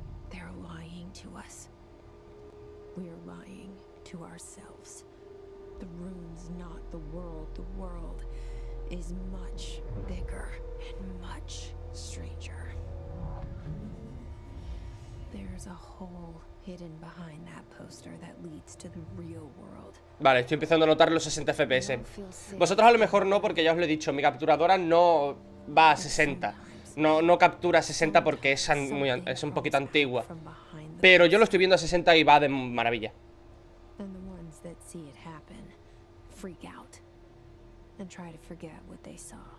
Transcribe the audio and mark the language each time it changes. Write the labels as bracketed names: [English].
[English] They're lying to us. We're lying to ourselves. The room's not the world. The world is much bigger and much stranger. There's a hole hidden behind that poster that leads to the real world. [Spanish] Vale, estoy empezando a notar los 60 FPS. Vosotros a lo mejor no, porque ya os lo he dicho, mi capturadora no va a 60. No captura a 60 porque es un poquito antigua. Pero yo lo estoy viendo a 60 y va de maravilla. [English] And the ones that see it happen freak out and try to forget what they saw.